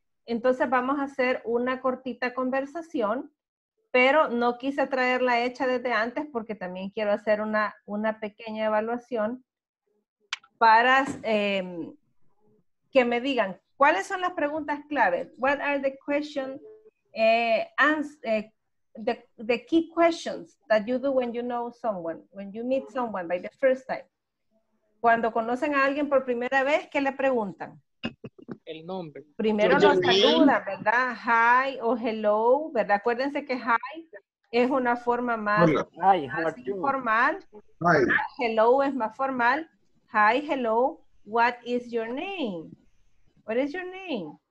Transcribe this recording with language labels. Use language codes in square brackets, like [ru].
[es] Entonces vamos a hacer una cortita conversación, pero no quise traerla hecha desde antes porque también quiero hacer una pequeña evaluación para que me digan, ¿cuáles son las preguntas clave? [en] What are the questions, the key questions that you do when you know someone, when you meet someone by the first time? [es] Cuando conocen a alguien por primera vez, ¿qué le preguntan? El nombre. Primero lo saludan, ¿verdad? Hi o hello, ¿verdad? Acuérdense que hi es una forma más, más informal. [en] Hi. Hello [es] es más formal. [en] Hi, hello. What is your name? What is your name?